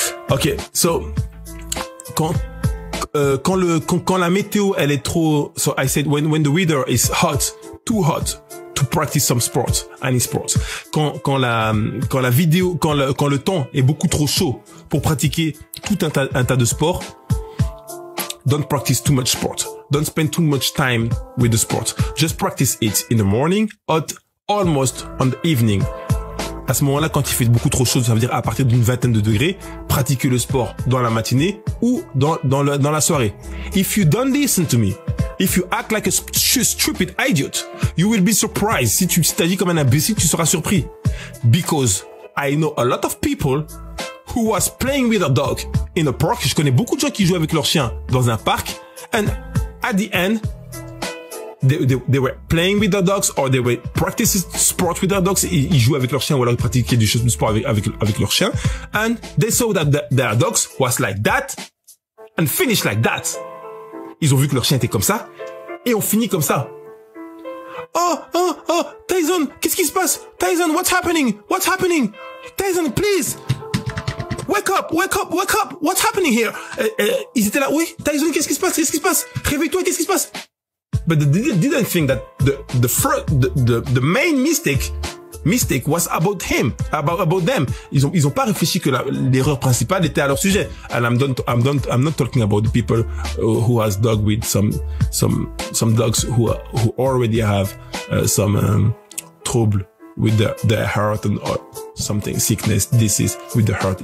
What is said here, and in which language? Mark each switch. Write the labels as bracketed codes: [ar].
[en] Okay, so [fr] quand la météo elle est trop. [en] So I said when the weather is hot, too hot. To practice some sports, any sports. [fr] Quand le temps est beaucoup trop chaud pour pratiquer tout un tas de sports, [en] don't practice too much sport. Don't spend too much time with the sport. Just practice it in the morning or almost on the evening. [fr] À ce moment-là, quand il fait beaucoup trop chaud, ça veut dire à partir d'une vingtaine de degrés, pratiquer le sport dans la matinée ou dans la soirée. [en] If you don't listen to me, if you act like a stupid idiot, you will be surprised. [fr] Si t'agis comme un imbécile, tu seras surpris. [en] Because I know a lot of people who was playing with a dog in a park. [fr] Je connais beaucoup de gens qui jouent avec leur chien dans un parc. [en] And at the end, they were playing with their dogs or they were practicing sport with their dogs. [fr] Ils jouaient avec leur chien ou alors ils pratiquaient du sport avec leur chien. [en] And they saw that their dogs was like that and finished like that. [fr] Ils ont vu que leur chien était comme ça et ont fini comme ça. Oh, Tyson, qu'est-ce qui se passe? Tyson, [en] what's happening? Tyson, please, wake up, what's happening here? [fr] Ils étaient là, oui, Tyson, qu'est-ce qui se passe? Réveille-toi, qu'est-ce qui se passe? [en] But they didn't think that the main mistake was about him, about them. [fr] Ils ont pas réfléchi que l'erreur principale était à leur sujet. [en] And I'm not talking about the people who has dog with some dogs who already have some trouble with their heart and or something sickness disease with the heart.